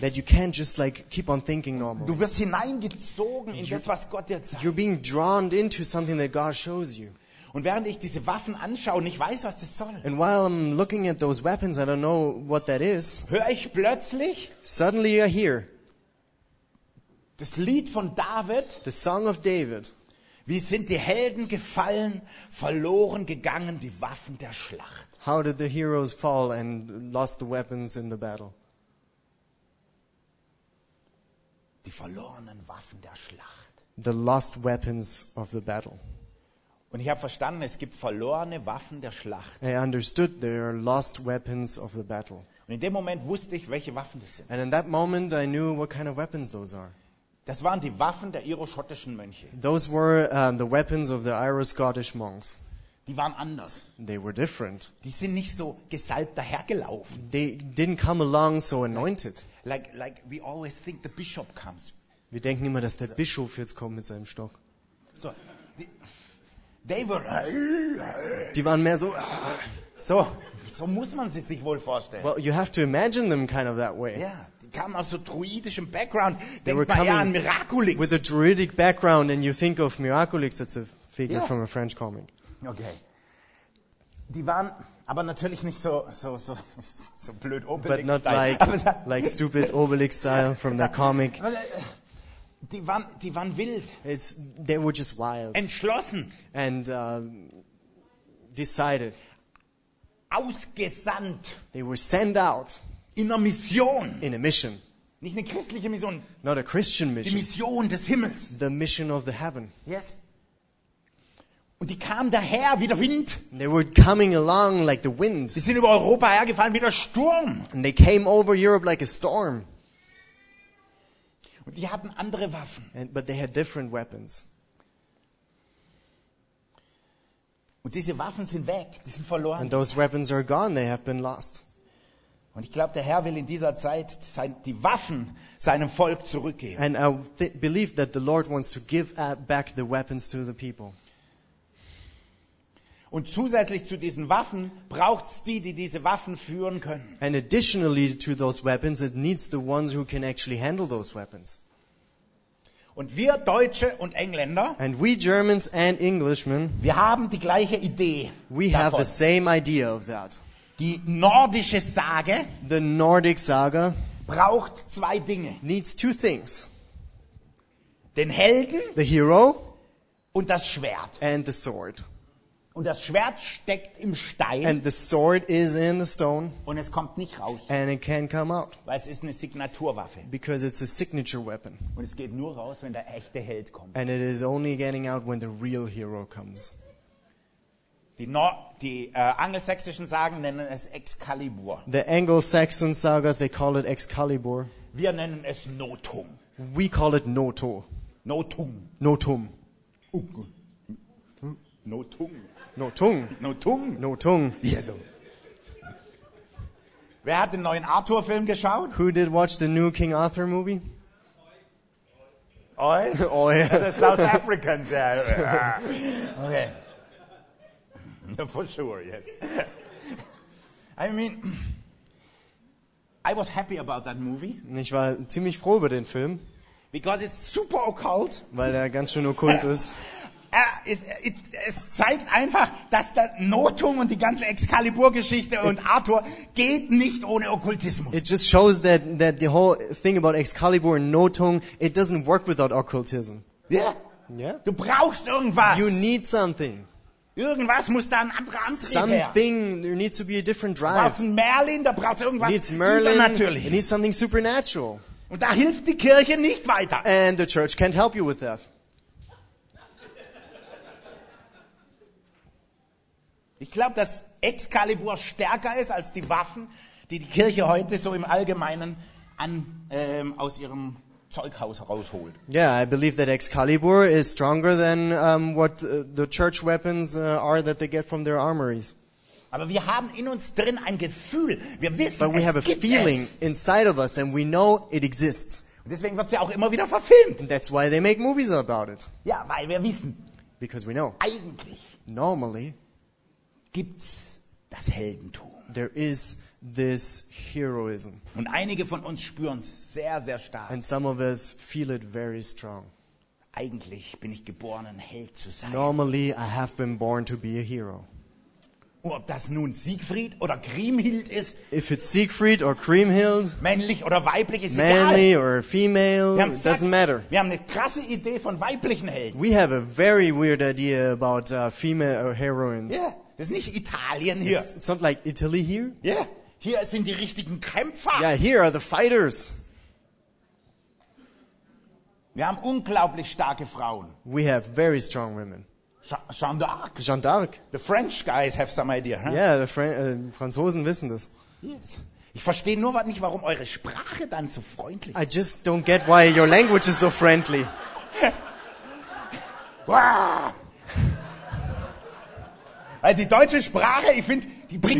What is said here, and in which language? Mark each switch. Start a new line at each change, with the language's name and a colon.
English: That you can't just like keep on thinking normally.
German: Du wirst hineingezogen in das, was Gott dir zeigt.
English: You're being drawn into something that God shows you.
German: Und während ich diese Waffen anschaue, nicht weiß, was das soll.
English: And while I'm looking at those weapons, I don't know what that is.
German: Hör ich plötzlich?
English: Suddenly I hear.
German: Das Lied von David.
English: The song of David.
German: Wie sind die Helden gefallen, verloren gegangen, die Waffen der Schlacht?
English: How did the heroes fall and lost the weapons in the battle?
German: Die verlorenen Waffen der Schlacht.
English: The lost weapons of the battle.
German: Und ich habe verstanden, es gibt verlorene Waffen der Schlacht.
English: I understood there are lost weapons of the battle.
German: Und in dem Moment wusste ich, welche Waffen das sind.
English: And in that moment I knew what kind of weapons those are.
German: Das waren die Waffen der iroschottischen Mönche.
English: Those were the weapons of the Iro-Scottish monks.
German: Die waren anders.
English: They were different.
German: Die sind nicht so gesalbt dahergelaufen.
English: They didn't come along so anointed. Like we always think the bishop comes.
German: Wir denken immer, dass der Bischof jetzt kommt mit seinem Stock.
English: So, they were.
German: Die waren mehr so. So muss man sie sich wohl vorstellen.
English: Well, you have to imagine them kind of that way.
German: Yeah, die kamen aus so druidischem Background. They were coming an Miraculix.
English: With a druidic background, and you think of Miraculix. That's a figure from a French comic. Okay.
German: Die waren aber natürlich nicht so blöd Obelix-Style.
English: But not like stupid Obelix-Style from that comic.
German: Die waren wild.
English: They were just wild.
German: Entschlossen.
English: And decided.
German: Ausgesandt.
English: They were sent out.
German: In einer Mission.
English: In a mission.
German: Nicht eine christliche Mission.
English: Not a Christian mission.
German: Die Mission des Himmels.
English: The mission of the heaven.
German: Yes. Und die kamen daher wie der Wind.
English: They were coming along like the wind.
German: Die sind über Europa hergefallen wie der Sturm.
English: And they came over Europe like a storm.
German: Und die hatten andere Waffen.
English: But they had different weapons.
German: Und diese Waffen sind weg, die sind verloren.
English: And those weapons are gone, they have been lost.
German: Und ich glaube, der Herr will in dieser Zeit die Waffen seinem Volk zurückgeben.
English: And I believe that the Lord wants to give back the weapons to the people.
German: Und zusätzlich zu diesen Waffen braucht es die diese Waffen führen können.
English: And additionally to those weapons, it needs the ones who can actually handle those weapons.
German: Und wir Deutsche und Engländer,
English: and we Germans and Englishmen,
German: wir haben die gleiche Idee.
English: We
German: davon.
English: Have the same idea of that.
German: Die nordische Sage,
English: the Nordic saga,
German: braucht zwei Dinge.
English: Needs two things.
German: Den Helden,
English: the hero,
German: und das Schwert.
English: And the sword.
German: Und das Schwert steckt im Stein.
English: And the sword is in the stone.
German: Und es kommt nicht raus.
English: And it can't come out.
German: Weil es ist eine Signaturwaffe.
English: Because it's a signature weapon.
German: Und es geht nur raus, wenn der echte Held kommt.
English: And it is only getting out when the real hero comes.
German: Die angelsächsischen Sagen nennen es Excalibur.
English: The Anglo-Saxon sagas, they call it Excalibur.
German: Wir nennen es Notum.
English: We call it Noto. Notum. Notum. Notum. No tung. No tung. No tung. Yes.
German: Wer hat den neuen Arthur-Film geschaut?
English: Who did watch the new King Arthur movie? Oi. Oi. The South Africans. Yeah. Okay. For sure, yes. I mean, I was happy about that movie.
German: Ich war ziemlich froh über den Film.
English: Because it's super occult.
German: Weil er ganz schön okkult ist. Es zeigt einfach, dass der Notum und die ganze Excalibur-Geschichte und Arthur geht nicht ohne Okkultismus.
English: It just shows that the whole thing about Excalibur and Notum, it doesn't work without occultism. Yeah. Yeah.
German: Du brauchst irgendwas.
English: You need something.
German: Irgendwas muss da ein anderer Antrieb her.
English: Something, there needs to be a different drive.
German: Du brauchst Merlin, da brauchst irgendwas übernatürliches.
English: It needs something supernatural.
German: Und da hilft die Kirche nicht weiter.
English: And the church can't help you with that.
German: Ich glaube, dass Excalibur stärker ist als die Waffen, die die Kirche heute so im Allgemeinen aus ihrem Zeughaus herausholt.
English: Yeah, I believe that Excalibur is stronger than what the church weapons are that they get from their armories.
German: Aber wir haben in uns drin ein Gefühl. Wir wissen,
English: but we have a feeling inside of us and we know it exists.
German: Und deswegen wird sie auch immer wieder verfilmt.
English: And that's why they make movies about it.
German: Ja, weil wir wissen.
English: Because we know.
German: Eigentlich.
English: Normally.
German: Gibt's das Heldentum?
English: There is this heroism.
German: Und einige von uns spüren's sehr, sehr stark.
English: And some of us feel it very strong.
German: Eigentlich bin ich geboren, ein Held zu sein.
English: Normally, I have been born to be a hero.
German: Und ob das nun Siegfried oder Kriemhild ist?
English: If it's Siegfried or Kriemhild.
German: Männlich oder weiblich ist
English: manly
German: egal.
English: Manly or female, it doesn't matter.
German: Wir haben eine krasse Idee von weiblichen Helden.
English: We have a very weird idea about female heroines.
German: Yeah. Das ist nicht Italien hier.
English: It's not like Italy here.
German: Yeah, hier sind die richtigen Kämpfer.
English: Yeah, here are the fighters.
German: Wir haben unglaublich starke Frauen.
English: We have very strong women. Jeanne d'Arc. Jeanne d'Arc. The French guys have some idea, huh?
German: Yeah, the Franzosen wissen das.
English: Yes.
German: Ich verstehe nur nicht, warum eure Sprache dann so freundlich
English: ist. I just don't get why your language is so friendly.
German: Weil die deutsche Sprache, ich finde, die bringt